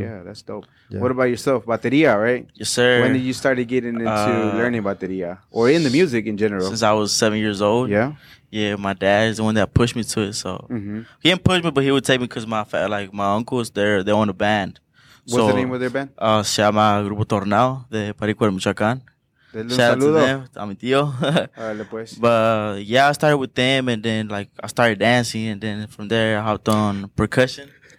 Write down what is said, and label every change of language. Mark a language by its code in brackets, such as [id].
[en] Yeah, that's dope. Yeah. What about yourself? Batería, right? Yes, sir. When did you start getting into learning batería or in the music in general? Since I was 7 years old. Yeah. Yeah, my dad is the one that pushed me to it. So he didn't push me, but he would take me because my uncle was there. They own a band. What's the name of their band? [es] Se llama Grupo Tornado de Perico de Michoacán. [en] Shout out to them, [es] a mi tío. [en] I started with them, and then like I started dancing, and then from there I hopped on percussion.